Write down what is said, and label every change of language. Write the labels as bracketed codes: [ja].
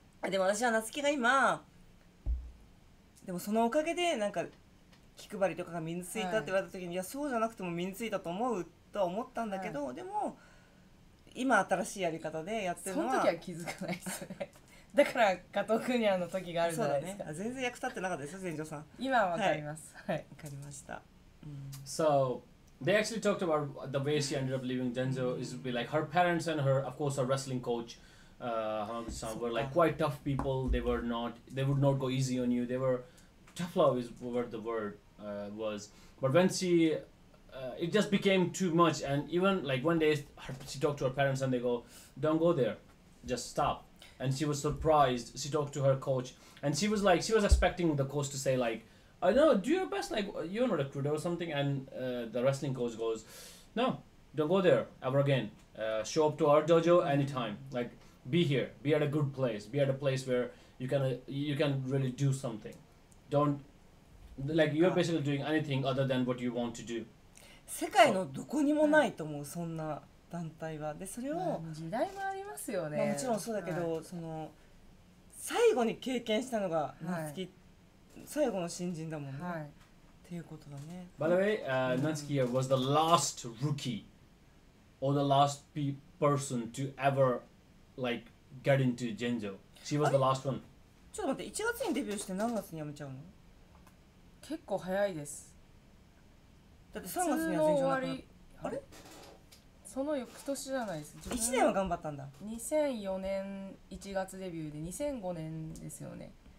[ja] でも私は夏希が今でもそのおかげでなんか気配りとかが身についたって言われた時に、はい、いやそうじゃなくても身についたと思うとは思ったんだけど、はい、でも今新しいやり方でやってるのはその時は気づかないですねだから加藤クニャの時があるじゃないですか。そうだ、ね、全然役立ってなかったですよ前場さん。今は分かります。はい、はい、分かりました。 [en] So they actually talked about the way she ended up leaving Genjo is be like her parents and her of course her wrestling coach Hanaguchi-san were like quite tough people. They would not go easy on you. They were tough love is what the word was. But when sheit just became too much, and even like one day she talked to her parents and they go, don't go there, just stop. And she was surprised. She talked to her coach and she was like, she was expecting the coach to say like, I know, do your best, like you're not a crude or something. And the wrestling coach goes, no, don't go there ever again. Show up to our dojo anytime, like be here, be at a good place, be at a place where you can really do something. Don't like you're basically doing anything other than what you want to do. [ja] 世界のどこにもないと思う、そんな団体は。でそれを、まあ、時代もありますよね、まあ、もちろんそうだけど、はい、その最後に経験したのが夏希、はい、最後の新人だもんね、はい、っていうことだね。 [en] By the way, Natsuki was the last rookie or the last person to ever like get into Genjo. She was the last one. [ja] ちょっと待って、1月にデビューして何月に辞めちゃうの？結構早いです。だって3月には全然なくなった。あれ、その翌年じゃないです。 1年は頑張ったんだ。 2004年1月デビューで2005年ですよね。